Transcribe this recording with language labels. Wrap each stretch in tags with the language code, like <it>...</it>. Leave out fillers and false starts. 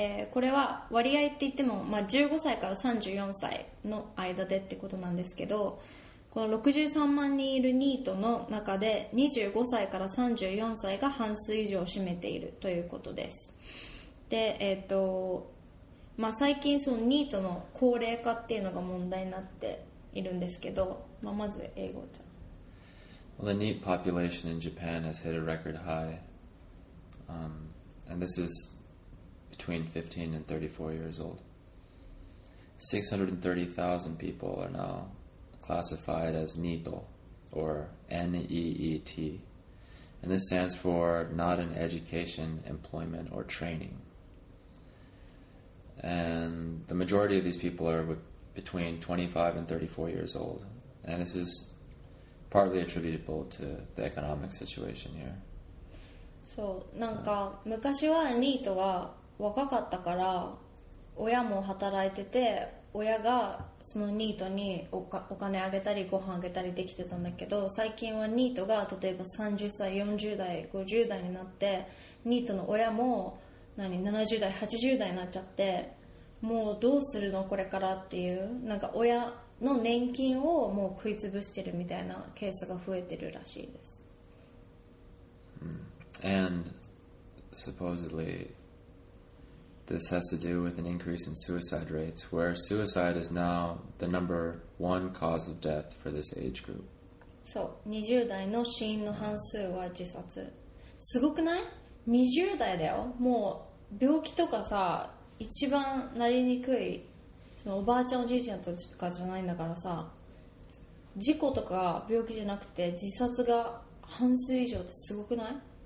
<ja>これは割合って言っても、まあ、15歳から34歳の間でってことなんですけど、この63万人いるニートの中で25歳から34歳が半数以上を占めているということです。で、まあ、最近そのニートの高齢化っていうのが問題になっているんですけど、まあ、まず英語じゃん。</ja> <en>Well, the neat population in Japan has hit a record high、and this is between 15 and 34 years old. 630,000 people are now classified as nito, or NEET. And this stands for not in education, employment, or training. And the majority of these people are between 25 and 34 years old. And this is partly attributable to the economic situation here.</en> <ja>そう、なんか昔はニートが若かったから親も働いてて、親がそのニートにお金あげたりご飯あげたりできてたんだけど、最近はニートが例えば30歳、40代、50代になって、ニートの親も何70代、80代になっちゃって、もうどうするのこれからっていう、なんか親の年金をもう食いつぶしてるみたいなケースが増えてるらしいです。</ja> <en>And supposedly, this has to do with an increase in suicide rates, where suicide is now the number one cause of death for this age group.</en> <ja>そう、20代の死因の半数は自殺。すごくない？20代だよ。もう病気とかさ、一番なりにくい、そのおばあちゃんおじいちゃんとかじゃないんだからさ、事故とか病気じゃなくて自殺が半数以上ってすごくない？</ja>